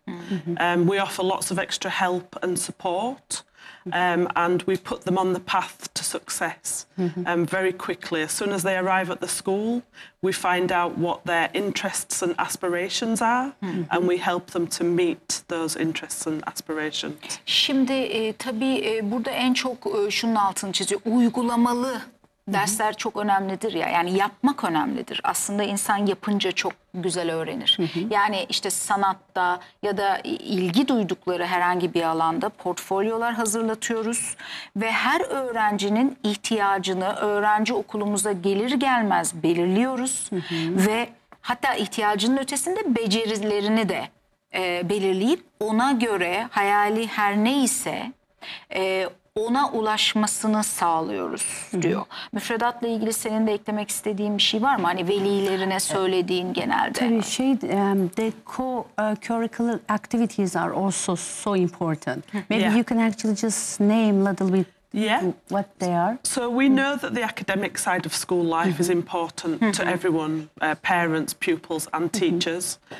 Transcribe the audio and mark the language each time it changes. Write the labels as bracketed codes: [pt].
[en] We offer lots of extra help and support. And we put them on the path to success very quickly. As soon as they arrive at the school, we find out what their interests and aspirations are and we help them to meet those interests and aspirations. [tr] Şimdi tabii burada en çok şunun altını çiziyor. Uygulamalı dersler çok önemlidir ya. Yani yapmak önemlidir. Aslında insan yapınca çok güzel öğrenir. Yani işte sanatta ya da ilgi duydukları herhangi bir alanda portfolyolar hazırlatıyoruz ve her öğrencinin ihtiyacını öğrenci okulumuza gelir gelmez belirliyoruz ve hatta ihtiyacının ötesinde becerilerini de belirleyip ona göre hayali her neyse ona ulaşmasını sağlıyoruz diyor. Müfredatla ilgili senin de eklemek istediğin bir şey var mı? Hani velilerine söylediğin genelde. [en] Tabii şey, the co-curricular activities are also so important. Maybe you can actually just name a little bit what they are. So we know that the academic side of school life is important to everyone, parents, pupils and teachers.